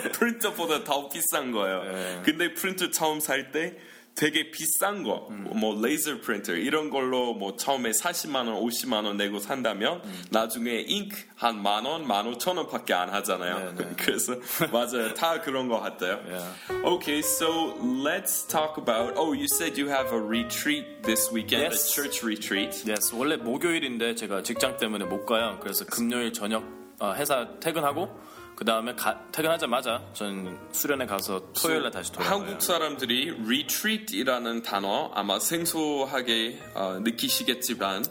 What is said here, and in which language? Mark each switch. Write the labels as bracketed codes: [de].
[ko] 프린터보다 더 비싼 거예요. 네. 근데 프린터 처음 살 때 되게 비싼 거 뭐 레이저 프린터 이런 걸로 뭐 처음에 40만 원, 50만 원 내고 산다면 나중에 잉크 한 만 원, 만 오천 원밖에 안 하잖아요. 네, 네. 그래서 맞아요. 다 그런 거 같아요. [en] Yeah. Okay, so let's talk about Oh, you said you have a retreat this weekend, yes. a church retreat. Yes. [ko] 원래 목요일인데 제가 직장 때문에 못 가요. 그래서 금요일 저녁 회사 퇴근하고 그 다음에 퇴근하자마자 전 수련회 가서 토요일에 다시 돌아와요. 한국 사람들이 retreat이라는 단어 아마 생소하게 느끼시겠지만